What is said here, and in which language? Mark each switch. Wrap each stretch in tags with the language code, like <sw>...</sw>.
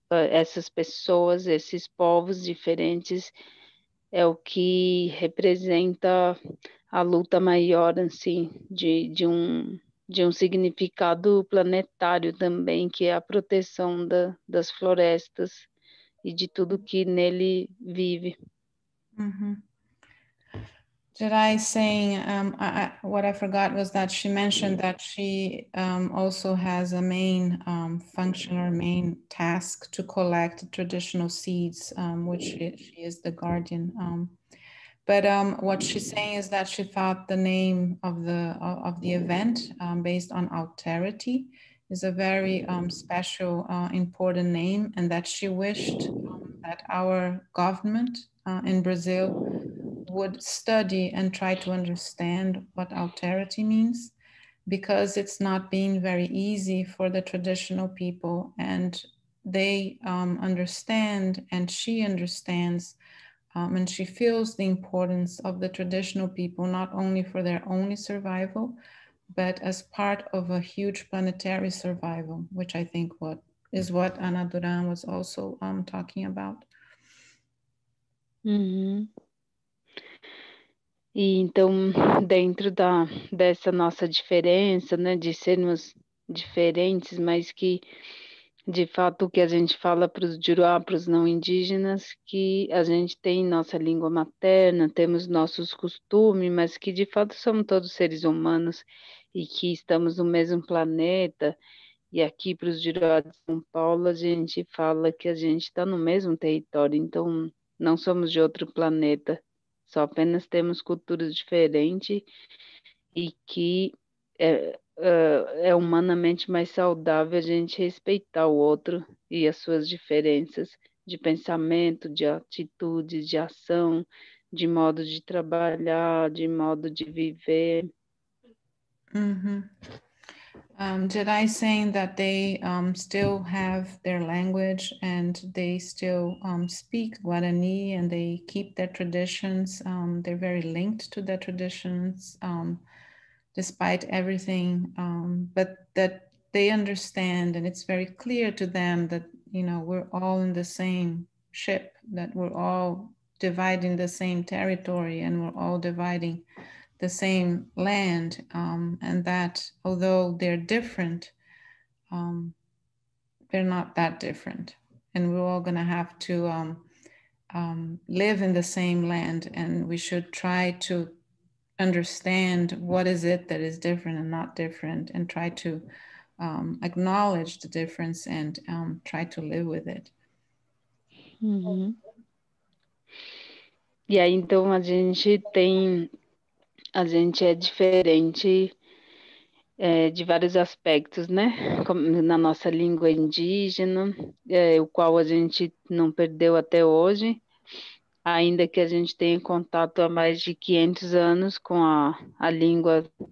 <pt>essas pessoas, esses povos diferentes é o que representa a luta maior, assim, de um significado planetário também, que é a proteção das florestas e de tudo que nele vive.</pt> <en>Jerai saying, what I forgot was that she mentioned that she also has a main function or main task to collect traditional seeds, which she is the guardian. But what she's saying is that she thought the name of the event, based on alterity, is a very special, important name, and that she wished that our government in Brazil would study and try to understand what alterity means, because it's not been very easy for the traditional people, and they understand, and she understands, and she feels the importance of the traditional people, not only for their own survival, but as part of a huge planetary survival, which I think is what Ana Durán was also talking about.</en> <pt>E então, dentro dessa nossa diferença, né, de sermos diferentes, mas que, de fato, o que a gente fala para os Jurá, para os não indígenas, que a gente tem nossa língua materna, temos nossos costumes, mas que, de fato, somos todos seres humanos e que estamos no mesmo planeta. E aqui, para os Jurá de São Paulo, a gente fala que a gente está no mesmo território, então não somos de outro planeta. Só apenas temos culturas diferentes e que é humanamente mais saudável a gente respeitar o outro e as suas diferenças de pensamento, de atitudes, de ação, de modo de trabalhar, de modo de viver.</pt> <en>Jedi saying that they still have their language and they still speak Guarani and they keep their traditions. They're very linked to their traditions despite everything, but that they understand and it's very clear to them that, you know, we're all in the same ship, that we're all dividing the same territory and we're all dividing the same land, and that although they're different, they're not that different. And we're all gonna have to live in the same land, and we should try to understand what is it that is different and not different, and try to acknowledge the difference and try to live with it.</en> <pt>Uhum. E aí, então, a gente é diferente de vários aspectos, né? Como na nossa língua indígena, o qual a gente não perdeu até hoje, ainda que a gente tenha contato há mais de 500 anos com a língua</pt>